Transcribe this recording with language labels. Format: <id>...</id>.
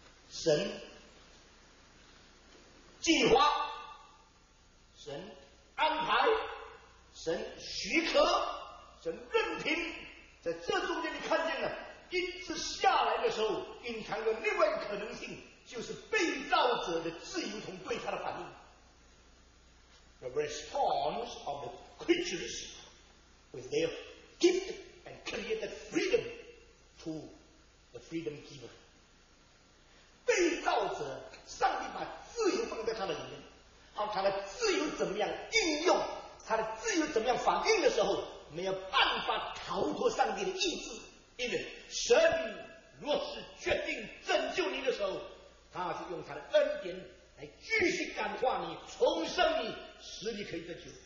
<zh>神计划，神安排，神许可，神任凭，在这中间你看见了，一次下来的时候，隐藏着另外一个可能性，就是被造者的自由同对他的反应。</zh> <en>The response of the creatures with their gift and created freedom to the freedom giver。</en> <zh>被造者，上帝把自由放在他的里面，好，他的自由怎么样应用？他的自由怎么样反应的时候，没有办法逃脱上帝的意志，因为神若是决定拯救你的时候，他是用他的恩典来继续感化你，重生你，使你可以得救。</zh>